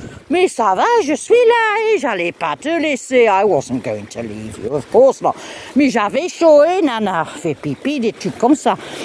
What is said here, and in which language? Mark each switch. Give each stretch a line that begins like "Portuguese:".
French: Mais ça va, je suis là et j'allais pas te laisser.
English: I wasn't going to leave you, of course not.
French: Mais j'avais chaud et nana fait pipi, des trucs comme ça.